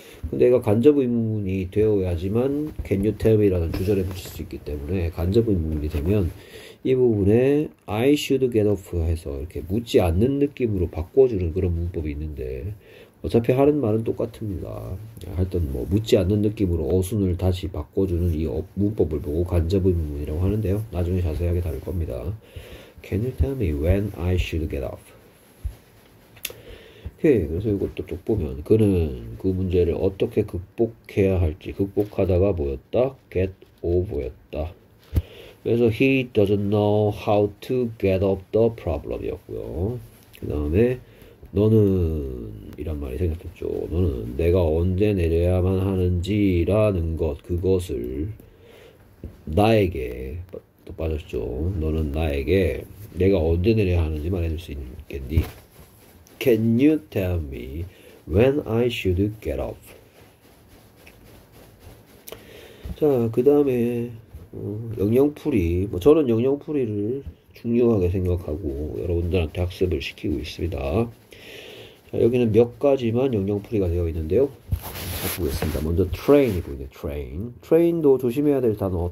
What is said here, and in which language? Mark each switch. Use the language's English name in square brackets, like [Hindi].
[Korean] 근데 얘가 간접 의문문이 되어야지만 can you tell me라는 주절에 붙일 수 있기 때문에 간접 의문문이 되면 이 부분에 I should get off 해서 이렇게 묻지 않는 느낌으로 바꿔주는 그런 문법이 있는데 어차피 하는 말은 똑같습니다. 하여튼 뭐 묻지 않는 느낌으로 어순을 다시 바꿔주는 이 문법을 보고 간접 의문문이라고 하는데요. 나중에 자세하게 다룰 겁니다. [English] Can you tell me when I should get off? [Korean] 오케이. 그래서 이것도 쭉 보면 그는 그 문제를 어떻게 극복해야 할지 극복하다가 뭐였다? [English] Get over였다. [Korean] 그래서 [English] he doesn't know how to get off the problem이었고요. [Korean] 그 다음에 너는 이란 말이 생겼었죠. 너는 내가 언제 내려야만 하는지라는 것, 그것을 나에게 또 빠졌죠. 너는 나에게 내가 언제 내려야 하는지 말해줄 수 있겠니? [English] Can you tell me when I should get off? [Korean] 자, 그 다음에 영영풀이, 뭐 저는 영영풀이를 중요하게 생각하고 여러분들한테 학습을 시키고 있습니다. 자, 여기는 몇 가지만 영영풀이가 되어 있는데요. 보겠습니다. 먼저 트레인이 보이네요. 트레인. 트레인도 조심해야 될 단어.